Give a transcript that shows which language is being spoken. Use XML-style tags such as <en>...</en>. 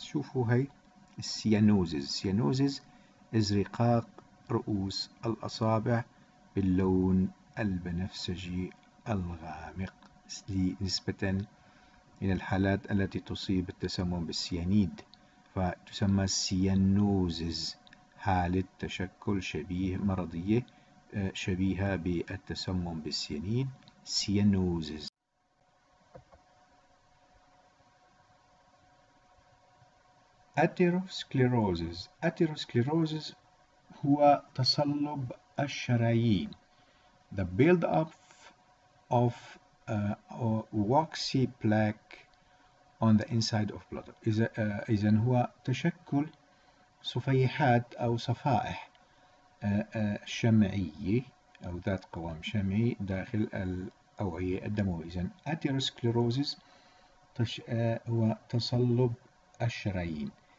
<ar>شوفوا هاي السيانوزز، سيانوزز ازرقاق رؤوس الأصابع باللون البنفسجي الغامق نسبة إلى الحالات التي تصيب التسمم بالسيانيد، فتسمى سيانوزز، حالة تشكل شبيه مرضية شبيهة بالتسمم بالسيانيد سيانوزز. Atherosclerosis. Atherosclerosis هو تصلب الشرايين.</ar> <en>The build-up of waxy plaque on the inside of bladder.</en> <ar>إذن هو تشكل صفيحات أو صفائح شمعية أو ذات قوام شمعي داخل الأوعية الدموية. إذن Atherosclerosis هو تصلب الشرايين.</ar>